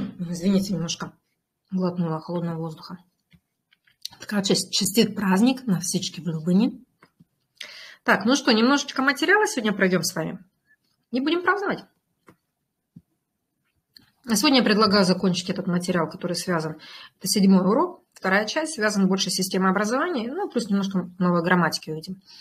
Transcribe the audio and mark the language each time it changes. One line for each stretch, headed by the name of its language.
Russian: Извините, немножко глотнула холодного воздуха.
Bulgarian: Така, честит празник на всички влюбени.
Russian: Так, ну что, немножечко материала сегодня пройдем с вами и будем праздновать. Сегодня я предлагаю закончить этот материал, который связан, это 7-й урок. Вторая часть связана больше с системой образования, ну, плюс немножко новой грамматики увидим.